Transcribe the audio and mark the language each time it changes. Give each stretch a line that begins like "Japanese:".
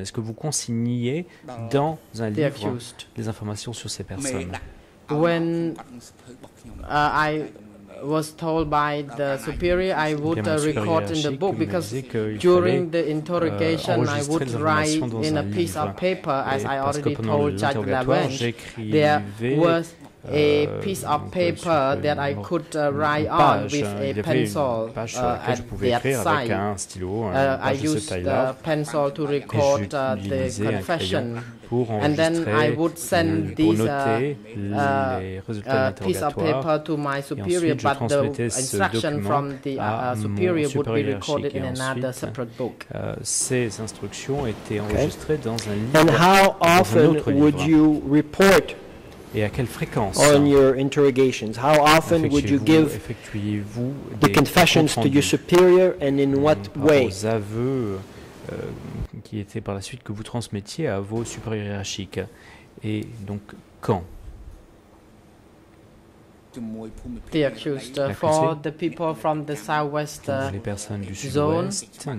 French: Est-ce que vous consigniez dans un livre les informations sur ces personnes?
English: When I was told by the superior, I would record in the book because during the interrogation, I would write in a piece of paper, as I already told Judge Lavenge. There was a piece of paper that I could write on with a pencil at that site. I used the pencil to record the confession. And then I would send this piece of paper to my superior, but the instruction from the superior would be recorded in another separate book.
French: Ces instructions étaient enregistrées dans un livre.
English: And how often would you report
French: Et à quelle fréquence?
English: On your interrogations, how often would you give the confessions to your superior, and in what way?
French: Aux aveux qui étaient par la suite que vous transmettiez à vos supérieurs hiérarchiques. Et donc quand?
English: The accused for the people from the southwest zone.